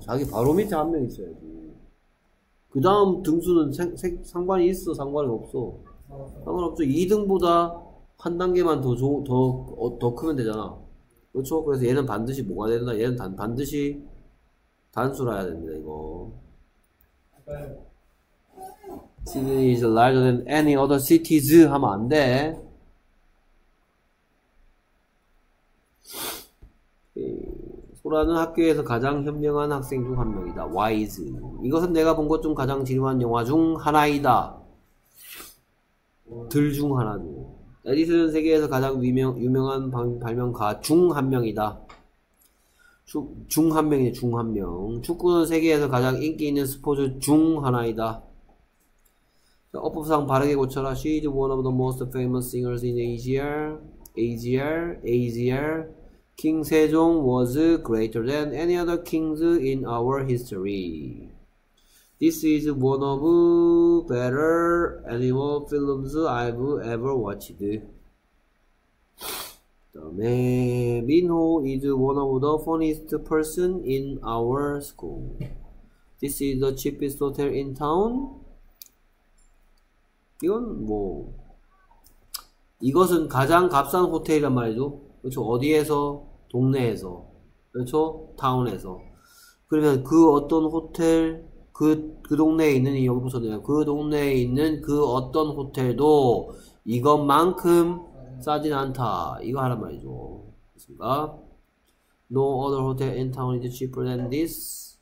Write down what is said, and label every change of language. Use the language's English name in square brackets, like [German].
[Korean] 자기 바로 밑에 한명 있어야지. 그 다음 등수는 상관이 있어? 상관이 없어? 상관없죠. 2등보다 한 단계만 더 크면 되잖아. 그렇죠? 그래서 얘는 반드시 뭐가 된다? 얘는 반드시 단수라야 됩니다, 이거. [English] Sydney is larger than any other cities [Korean] 하면 안 돼. 소라는 학교에서 가장 현명한 학생 중 한 명이다. [English] Wise. [Korean] 이것은 내가 본 것 중 가장 지루한 영화 중 하나이다. 들 중 하나죠. 에디슨은 세계에서 가장 유명한 발명가 중 한 명이다. 중 한 명이네, 중 한 명. 축구는 세계에서 가장 인기 있는 스포츠 중 하나이다. 자, 어법상 바르게 고쳐라. [English] She is one of the most famous singers in Asia. Asia, Asia. King Sejong was greater than any other kings in our history. This is one of better animal films I've ever watched. [Korean] 다음에 [English] 민호 is one of the funniest person in our school. This is the cheapest hotel in town. [Korean] 이건 뭐 이것은 가장 값싼 호텔이란 말이죠. 그렇죠? 어디에서? 동네에서. 그렇죠? 타운에서. 그러면 그 어떤 호텔 그 동네에 있는 이 여기부터는 그 동네에 있는 그 어떤 호텔도 이것만큼 싸진 않다. 이거 하란 말이죠. 됐습니까? [English] No other hotel in town is cheaper than this.